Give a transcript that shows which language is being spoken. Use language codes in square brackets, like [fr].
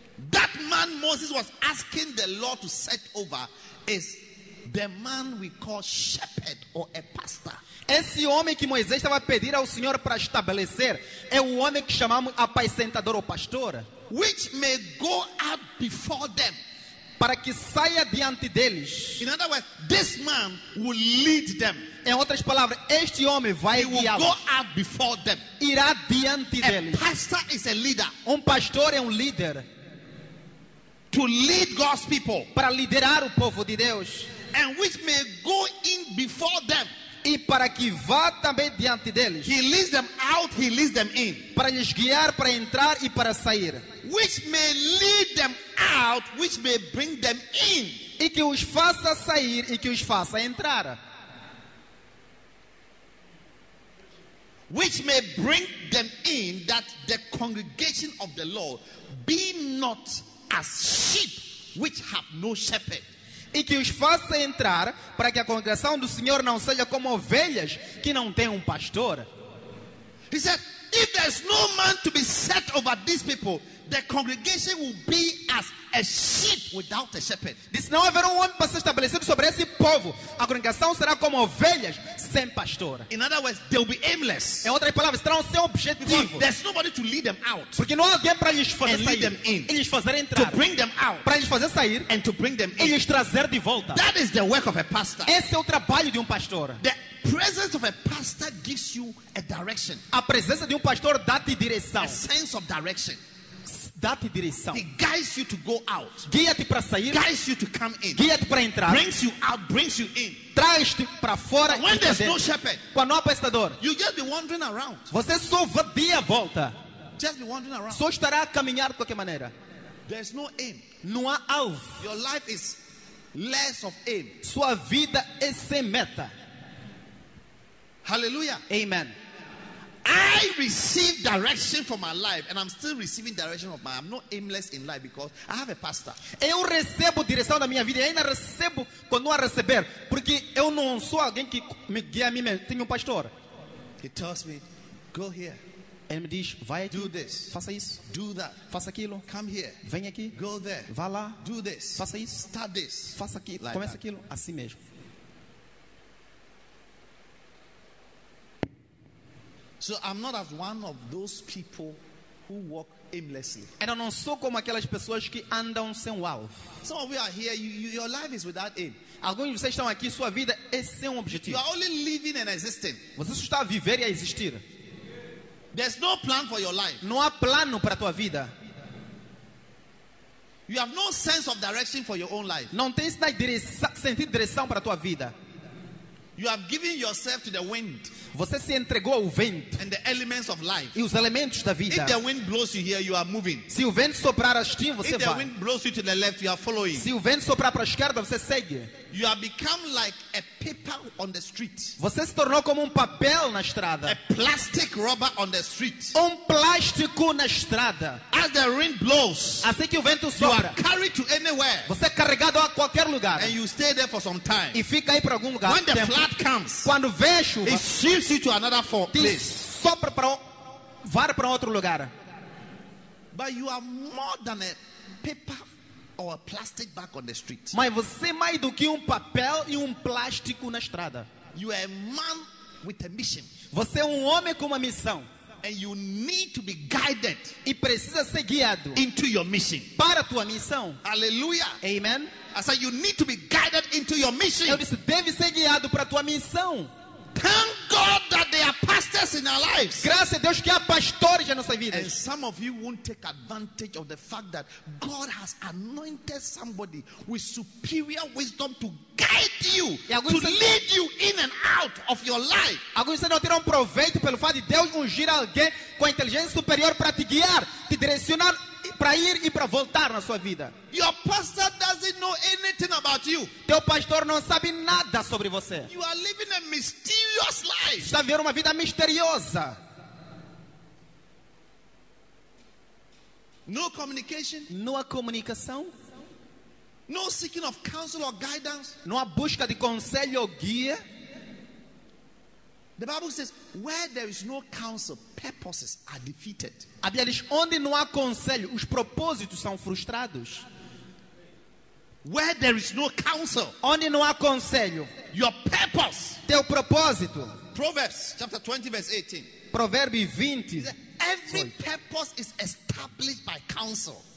[en] That man Moses was asking the Lord to set over is the man we call shepherd or a pastor. [pt] Esse homem que Moisés estava a pedir ao Senhor para estabelecer é o homem que chamamos apacentador ou pastor. [en] Which may go out before them. [pt] Para que saia diante deles. [en] In other words, this man will lead them. [pt] Em outras palavras, este homem vai [en] he will go out before them. [pt] Irá diante a deles. [en] A pastor is a leader. [pt] Pastor é líder. [en] To lead God's people. [pt] Para liderar o povo de Deus. [en] And which may go in before them. [pt] E para que vá também diante deles. [en] He leads them out, he leads them in. [pt] Para lhes guiar, para entrar e para sair. [en] Which may lead them out, which may bring them in. [pt] E que os faça sair e que os faça entrar. [en] Which may bring them in, that the congregation of the Lord be not as sheep which have no shepherd. [pt] E que os faça entrar para que a congregação do Senhor não seja como ovelhas que não têm pastor. [en] He said, if there's no man to be set over these people, the congregation will be as a sheep without a shepherd. [pt] Disse, não haverá homem para ser estabelecido sobre esse povo. A congregação será como ovelhas sem pastor. [en] In other words, they'll be aimless. [pt] Em outras palavras, estarão sem objetivo. [en] Because there's nobody to lead them out. [pt] Porque não há alguém para lhes fazer [en] and [pt] sair. [en] Them in. [pt] E lhes fazer entrar. [en] To bring them out. [pt] Para lhes fazer sair. [en] And to bring them in. [pt] E lhes trazer de volta. [en] That is the work of a pastor. [pt] Esse é o trabalho de pastor. [en] The presence of a pastor gives you a direction. [pt] A presença de pastor dá-te direção. [en] A sense of direction. [pt] Dá-te direção. [en] He guides you to go out. [pt] Guia-te para sair. [en] Guides you to come in. [pt] Guia-te para entrar. [en] Brings you out, brings you in. [pt] Traz-te para fora. [en] When there's no shepherd, [pt] quando não há pastor, [en] you just be wandering around. [pt] Você só vai à volta. [en] Just be wandering around. [pt] Só estará a caminhar de qualquer maneira. [en] There's no aim. [pt] Não há alvo. [en] Your life is less of aim. [pt] Sua vida é sem meta. Hallelujah. Amen. [en] I receive direction for my life and I'm still receiving direction of my I'm not aimless in life because I have a pastor. [pt] Eu recebo direção da minha vida e ainda recebo quando a receber porque eu não sou alguém que me guia a mim mesmo, tenho pastor. [en] He tells me, go here. [pt] Ele me diz, vai aqui. [en] Do this. [pt] Faça isso. [en] Do that. [pt] Faça aquilo. [en] Come here. [pt] Vem aqui. [en] Go there. [pt] Vá lá. [en] Do this. [pt] Faça isso. [en] Start this. [pt] Faça aquilo. Like começa that. Aquilo assim mesmo. [en] So I'm not as one of those people who walk aimlessly. [pt] And eu não sou como aquelas pessoas que andam sem alvo. [en] Some of you are here, your life is without aim. [pt] Alguns de vocês estão aqui, sua vida é sem objetivo. [en] You are only living and existing. [pt] Você só está a viver e a existir. [en] There's no plan for your life. [pt] Não há plano para a tua vida. [en] You have no sense of direction for your own life. [pt] Não tens sentido de direção para a tua vida. [en] You have given yourself to the wind. [pt] Você se entregou ao vento. [en] And the elements of life. [pt] E os elementos da vida. [en] If the wind blows you here, you are moving. [pt] Se o vento soprar assim, você vai. [en] If the wind blows you to the left, you are following. [pt] Se o vento soprar para a esquerda, você segue. [en] You have become like a paper on the street. [pt] Você se tornou como papel na estrada. [en] A plastic rubber on the street. [pt] Plástico na estrada. [en] As the wind blows, [pt] assim que o vento sopra, [en] you are carried to anywhere, [pt] você é carregado a qualquer lugar, [en] and you stay there for some time. [pt] E fica aí por algum lugar. [en] When the tempo, flood comes, [pt] quando vem a chuva, [en] it shifts you to another place, [pt] sopra para vai para outro lugar. [en] But you are more than a paper or a plastic bag on the street. [pt] Mas você é mais do que papel e plástico na estrada. [en] You are a man with a mission. [pt] Você é homem com uma missão. [en] And you need to be guided. [pt] E precisa ser guiado into your mission. Para tua missão. Hallelujah. Amen. [en] I said you need to be guided into your mission. [pt] Eu disse, deve ser guiado para tua missão. [en] Thank God that there are pastors in our lives. [pt] Graças a Deus que há pastores na nossa vida. [en] And some of you won't take advantage of the fact that God has anointed somebody with superior wisdom to guide you, to lead you in and out of your life. [pt] Alguns não terão proveito pelo fato de Deus ungir alguém com inteligência superior para te guiar, te direcionar para ir e para voltar na sua vida. [en] Your pastor doesn't know anything about you. [pt] Teu pastor não sabe nada sobre você. [en] You are living a mysterious life. [pt] Está vivendo uma vida misteriosa. [en] No communication? [pt] Não há comunicação. [en] No seeking of counsel or guidance? [pt] Não há busca de conselho ou guia. [en] The Bible says, where there is no counsel, purposes are defeated. [pt] A Bíblia diz, onde não há conselho, os propósitos são frustrados. [en] Where there is no counsel, [pt] onde não há conselho, [en] your purpose, [pt] teu propósito. [en] Proverbs chapter 20 verse 18. [pt] Provérbios 20. [en] Every purpose is established by counsel.